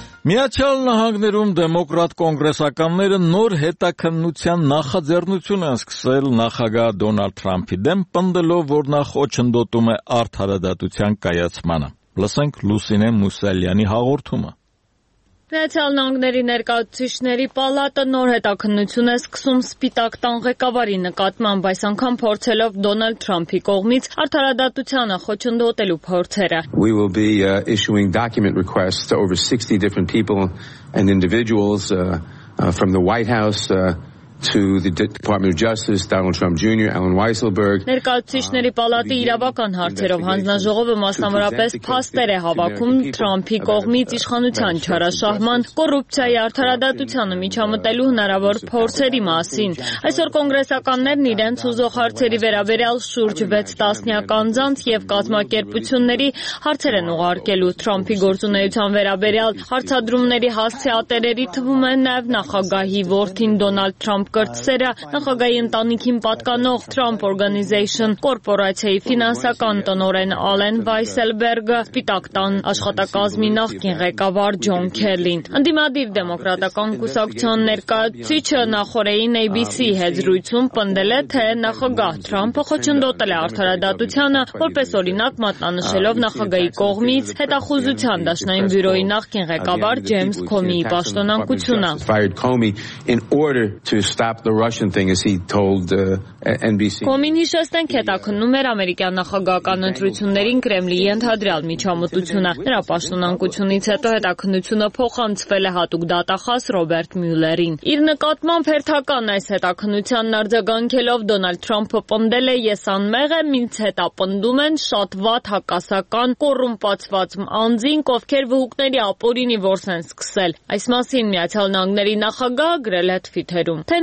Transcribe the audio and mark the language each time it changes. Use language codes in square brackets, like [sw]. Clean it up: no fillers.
[hy] Միացյալ Նահանգներում դեմոկրատ կոնգրեսականները նոր հետաքննության նախաձեռնություն են սկսել նախագահ Դոնալդ Թրամփի դեմ, պնդելով, որ նա խոչընդոտում է արդարադատության կայացմանը։ Լսենք Լուսինե Մուսալյանի հաղորդումը։ Միացյալ Նահանգների ներկայացուցիչների պալատը նոր հետաքննություն է սկսում Սպիտակ տան ղեկավարի նկատմամբ, այս անգամ փորձելով Դոնալդ Թրամփի կողմից արդարադատությանը խոչընդոտելու փորձերը։ [en] We will be issuing document requests to over 60 different people and individuals from the White House to the Department of Justice, Donald Trump Jr., Alan Weisselberg. [hy] Ներկայացուցիչների պալատի իրավական հարցերով հանձնաժողովը մասնավորապես փաստեր է հավաքում Թրամփի կողմից իշխանության չարաշահման, կոռուպցիայի արդարադատությանը միջամտելու հնարավոր փորձերի մասին։ Այսօր կոնգրեսականներն իրենց ուզող հարցերի վերաբերյալ շուրջ 6 տասնյակ անձանց և կազմակերպությունների հարցեր են ուղարկելու Թրամփի գործունեության վերաբերյալ։ Հարցադրումների հասցեատերերի թվում է նաև նախագահի որդին Դոնալդ Թրամփ Կրտսերա, նախագահի ընտանիքին պատկանող Trump Organization կորպորացիայի ֆինանսական տնօրեն Ալեն Վայսելբերգը, Սպիտակ տան աշխատակազմի նախկին ղեկավար Ջոն Քելին։ Ընդդիմադիր դեմոկրատական կուսակցության ներկայացուցիչը նախորդային ABC հեռուստացույցում պնդել է, թե նախագահ Թրամփը խոչընդոտել է արդարադատությանը, որպես օրինակ մատնանշելով նախագահի կողմից հետախուզության դաշնային բյուրոյի նախկին ղեկավար Ջեյմս Քոմիի պաշտոնակությունը։ [en] To stop the Russian thing, as he told NBC. [hy] Կոմին հիշեցնենք, հետաքննում էր ամերիկյան նախագահական ընտրություններին Կրեմլինի ընդհանրյալ միջամտությունը։ Նրա պաշտոնանկությունից հետո հետաքննությունը փոխանցվել է հատուկ դատախազ Ռոբերտ Մյուլերին։ Իր նկատմամբ հերթական այս հետաքննության արձագանքելով Դոնալդ Թրամփը պնդել է, ես անմեղ եմ, ինձ հետապնդում են շատ վատ հակասական կոռումպացված անձին, ովքեր վհուկների ապօրինի որս են սկսել։ Այս մասին Միացյալ Նահանգների նախագահ գրել է թվիտերում, թե